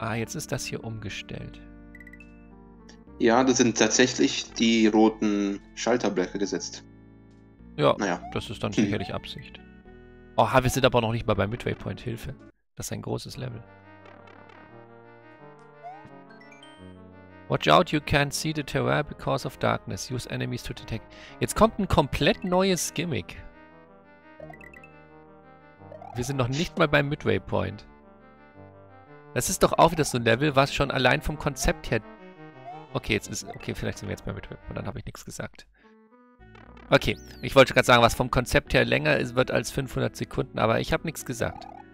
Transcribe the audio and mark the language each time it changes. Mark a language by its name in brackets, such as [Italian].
[German] Ah, jetzt ist das hier umgestellt. Ja, da sind tatsächlich die roten Schalterblöcke gesetzt. Ja, naja. Das ist dann sicherlich Absicht. Oh, wir sind aber noch nicht mal bei Midway Point. Hilfe. Das ist ein großes Level. [English] Watch out, you can't see the terror because of darkness. Use enemies to detect. [German] Jetzt kommt ein komplett neues Gimmick. Wir sind noch nicht mal beim Midway Point. Das ist doch auch wieder so ein Level, was schon allein vom Konzept her... Okay, jetzt ist... Okay, vielleicht sind wir jetzt beim Midway Point, dann habe ich nichts gesagt. Okay, ich wollte gerade sagen, was vom Konzept her länger ist, wird als 500 Sekunden, aber ich habe nichts gesagt.